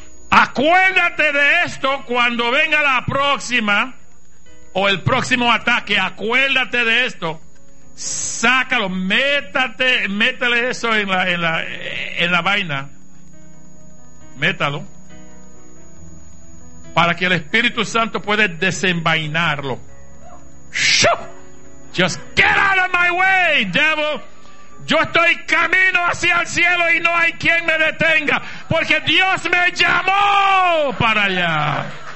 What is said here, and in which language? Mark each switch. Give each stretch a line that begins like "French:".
Spanish: Acuérdate de esto cuando venga la próxima o el próximo ataque. Acuérdate de esto. Sácalo, métele eso en la vaina. Métalo. Para que el Espíritu Santo pueda desenvainarlo. ¡Shup!
English: Just get out of my way, devil.
Spanish: Yo estoy camino hacia el cielo y no hay quien me detenga, porque Dios me llamó para allá.